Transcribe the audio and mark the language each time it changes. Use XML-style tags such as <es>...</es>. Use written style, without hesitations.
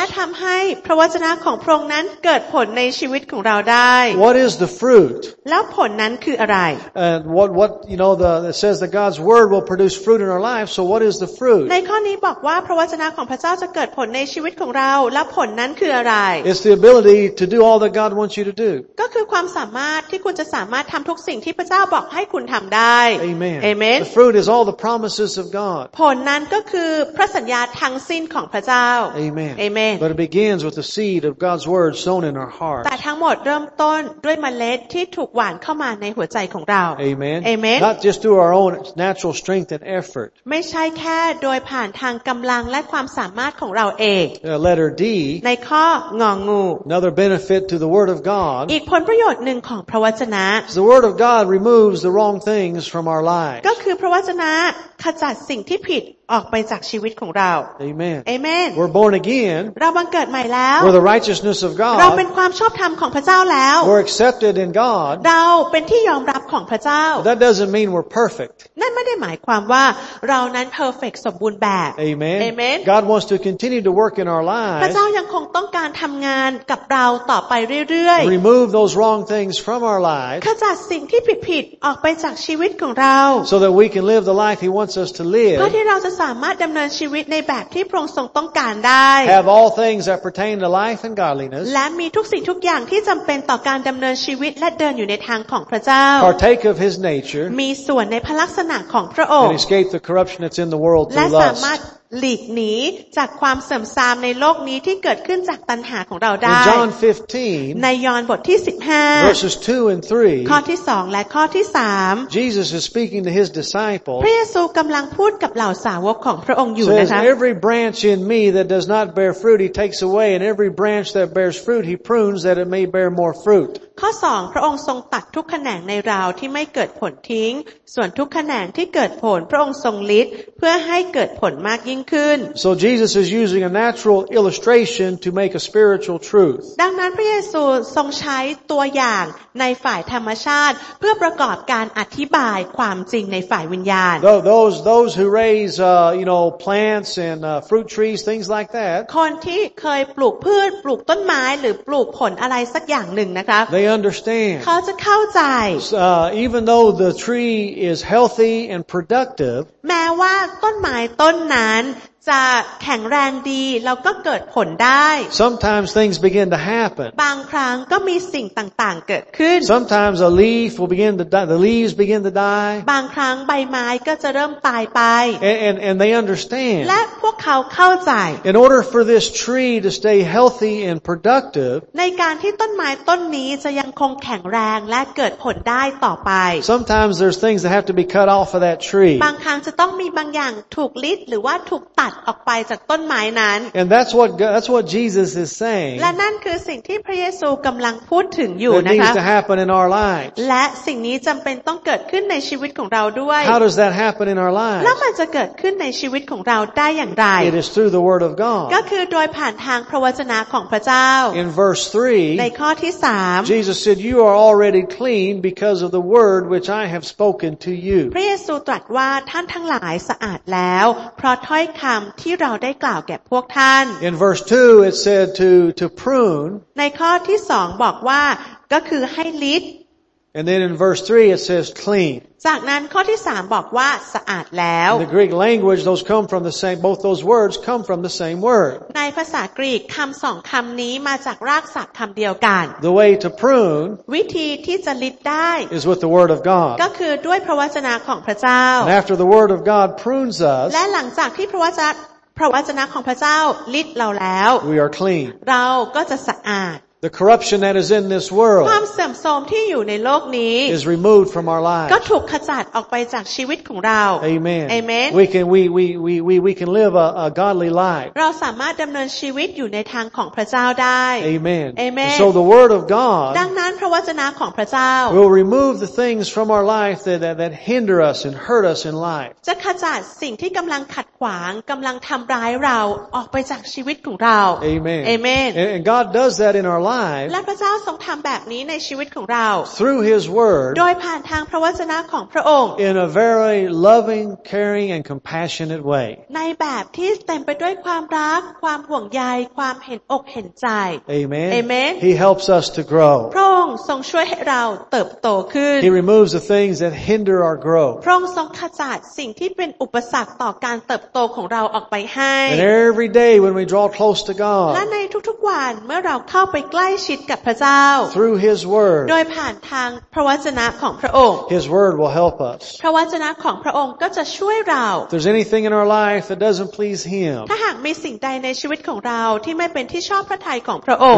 <th>และทำให้พระวจนะของพระนั้นเกิดผลในชีวิตของเราได้</th> <en>What is the fruit?</en> <th>แล้วผลนั้นคืออะไร</th> <en>And what you know it says that God's word will produce fruit in our lives so what is the fruit?</en> <th>ในข้อนี้บอกว่าพระวจนะของพระเจ้าจะเกิดผลในชีวิตของเราแล้วผลนั้นคืออะไร</th> <en>It's the ability to do all that God wants you to do</en> <th>ก็คือความสามารถที่คุณจะสามารถทำทุกสิ่งที่พระเจ้าบอกให้คุณทำได้</th> <en>Amen Amen The fruit is all the promises of God</en> <th>ผลนั้นก็คือพระสัญญาทั้งสิ้นของพระเจ้า</th> <en>Amen Amen But it begins with the seed of God'sword sown in our heart</en> <th>แต่ทั้งหมดเริ่มต้นด้วยเมล็ดที่ถูกหว่านเข้ามาในหัวใจของเรา</th> <en>Amen Amen Not just through our own natural strength and effort</en> <th>ไม่ใช่แค่โดยผ่านทางกำลังและความสามารถของเราเอง</th> <en>Letter D</en> <th>ในข้องงู</th> <en>Another benefit to the word of God</en> <th>อีกผลประโยชน์หนึ่งของพระวจนะ</th> <en>The word of God removes the wrong things from our lives</en> <th>ก็คือพระวจนะขจัดสิ่งที่ผิด ออกไปจากชีวิตของเรา</th> <en>Amen Amen We're born again</en> <th>เราบังเกิดใหม่แล้ว</th> <en>We're the righteousness of God</en> <th>เราเป็นความชอบธรรมของพระเจ้าแล้ว</th> <en>We're accepted in God</en> <th>เราเป็นที่ยอมรับของพระเจ้า</th> <en>That doesn't mean we're perfect</en> <th>นั่นไม่ได้หมายความว่าเรานั้น perfect สมบูรณ์แบบ</th> <en>Amen Amen God wants to continue to work in our lives</en> <th>พระเจ้ายังคงต้องการทำงานกับเราต่อไปเรื่อย</th> <en>ๆ Remove those wrong things from our lives</en> <th>ขจัดสิ่งที่ผิดๆออกไปจากชีวิตของเรา</th> <en>So that we can live the life He wants us to live</en> <th>เพื่อที่เราจะสามารถดำเนินชีวิตในแบบที่พระองค์ทรงต้องการได้</th> <en>Have all things that pertain to life and godliness</en> <th>และมีทุกสิ่งทุกอย่างที่จำเป็นต่อการดำเนินชีวิตและเดินอยู่ในทางของพระเจ้า</th> <en>Partake of His nature</en> <th>มีส่วนในพระลักษณะของพระองค์</th> <en>And escape the corruption that's in the world through lust</en> <th>และสามารถหลีกหนีจากความเสื่อมทรามในโลกนี้ที่เกิดขึ้นจากตัณหาของเราได้</th> <en>John 15</en> <th>ในยอห์นบทที่15</th> <en>verses 2 and 3</en> <th>ข้อที่2และข้อที่3</th> <en>Jesus is speaking to his disciples</en> <th>พระเยซูกำลังพูดกับเหล่าสาวกของพระองค์อยู่นะคะ</th> <en>Says every branch in me that does not bear fruit he takes away and every branch that bears fruit he prunes that it may bear more fruit</en> <th>ข้อ2พระองค์ทรงตัดทุกแขนงในเราที่ไม่เกิดผลทิ้งส่วนทุกแขนงที่เกิดผลพระองค์ทรงลิดเพื่อให้เกิดผลมากยิ่ง</th> <en>So Jesus is using a natural illustration to make a spiritual truth.</en> <th>ดังนั้นพระเยซูทรงใช้ตัวอย่างในฝ่ายธรรมชาติเพื่อประกอบการอธิบายความจริงในฝ่ายวิญญาณ</th> <en>Those who raise you know plants and fruit trees things like that.</en> <th>คนที่เคยปลูกพืชปลูกต้นไม้หรือปลูกผลอะไรสักอย่างหนึ่งนะคะ</th> <en>They understand.</en> <th>เขาจะเข้าใจ</th> <en>Even though the tree is healthy and productive.</en> <th>แม้ว่าต้นไม้ต้นนั้นจะแข็งแรงดีแล้วก็เกิดผลได้</th> <en>Sometimes things begin to happen</en> <th>บางครั้งก็มีสิ่งต่างๆเกิดขึ้น</th> <en>Sometimes a leaf will begin to die, the leaves begin to die</en> <th>บางครั้งใบไม้ก็จะเริ่มตายไป</th> <en>And they understand</en> <th>และพวกเขาเข้าใจ</th> <en>In order for this tree to stay healthy and productive</en> <th>ในการที่ต้นไม้ต้นนี้จะยังคงแข็งแรงและเกิดผลได้ต่อไป</th> <en>Sometimes there's things that have to be cut off of that tree</en> <th>บางครั้งจะต้องมีบางอย่างถูกลิดหรือว่าถูกตัดออกไปจากต้นไม้นั้น</th> <en>And that's what Jesus is saying</en> <th>และนั่นคือสิ่งที่พระเยซูกำลังพูดถึงอยู่นะคะ</th> <en>That needs to happen in our lives</en> <th>และสิ่งนี้จำเป็นต้องเกิดขึ้นในชีวิตของเราด้วย</th> <en>How does that happen in our lives</en> <th>แล้วมันจะเกิดขึ้นในชีวิตของเราได้อย่างไร</th> <en>It is through the word of God</en> <th>ก็คือโดยผ่านทางพระวจนะของพระเจ้า</th> <en>In verse 3</en> <th>ในข้อที่3</th> <en>Jesus said you are already clean because of the word which I have spoken to you</en> <th>พระเยซูตรัสว่าท่านทั้งหลายสะอาดแล้วเพราะถ้อยคำที่เราได้กล่าวแก่พวกท่าน</th> <en>In verse 2 it said to prune</en> <th>ในข้อที่2บอกว่าก็คือให้ลิด</th> <en>And then in verse 3 it says clean</en> <th>จากนั้นข้อที่3บอกว่าสะอาดแล้ว</th> <en>In the Greek language those come from the same both those words come from the same word</en> <th>ในภาษากรีกคำ2คำนี้มาจากรากศัพท์คำเดียวกัน</th> <en>The way to prune</en> <th>วิธีที่จะลิดได้</th> <en>is with the word of God</en> <th>ก็คือด้วยพระวจนะของพระเจ้า</th> <en>And after the word of God prunes us</en> <th>และหลังจากที่พระวจนะของพระเจ้าลิดเราแล้ว</th> <en>We are clean</en> <th>เราก็จะสะอาด</th> <en>The corruption that is in this world</en> <th>ความเสื่อมโทรมที่อยู่ในโลกนี้</th> <en>is removed from our lives</en> <th>ก็ถูกขจัดออกไปจากชีวิตของเรา</th> <en>Amen Amen We can live a godly life</en> <th>เราสามารถดำเนินชีวิตอยู่ในทางของพระเจ้าได้</th> <en>Amen Amen So the word of God</en> <th>ดังนั้นพระวจนะของพระเจ้า</th> <en>will remove the things from our life that hinder us and hurt us in life</en> <th>จะขจัดสิ่งที่กำลังขัดขวางกำลังทำร้ายเราออกไปจากชีวิตของเรา</th> <en>Amen Amen And God does that in our life</en> <th>และพระเจ้าทรงทำแบบนี้ในชีวิตของเรา</th> <en>Through His Word</en> <th>โดยผ่านทางพระวจนะของพระองค์</th> <en>In a very loving, caring, and compassionate way</en> <th>ในแบบที่เต็มไปด้วยความรักความห่วงใยความเห็นอกเห็นใจ</th> <en>Amen Amen He helps us to grow</en> <th>พระองค์ทรงช่วยให้เราเติบโตขึ้น</th> <en>He removes the things that hinder our growth</en> <th>พระองค์ทรงขจัดสิ่งที่เป็นอุปสรรคต่อการเติบโตของเราออกไปให้</th> <en>And every day when we draw close to God</en> <th>และในทุกๆวันเมื่อเราเข้าไปใกล้ชิดกับพระเจ้า</th> <en>Through His Word</en> <th>โดยผ่านทางพระวจนะของพระองค์</th> <en>His Word will help us</en> <th>พระวจนะของพระองค์ก็จะช่วยเรา</th> <en>If there's anything in our life that doesn't please Him</en> <th>ถ้าหากมีสิ่งใดในชีวิตของเราที่ไม่เป็นที่ชอบพระทัยของพระองค์</th>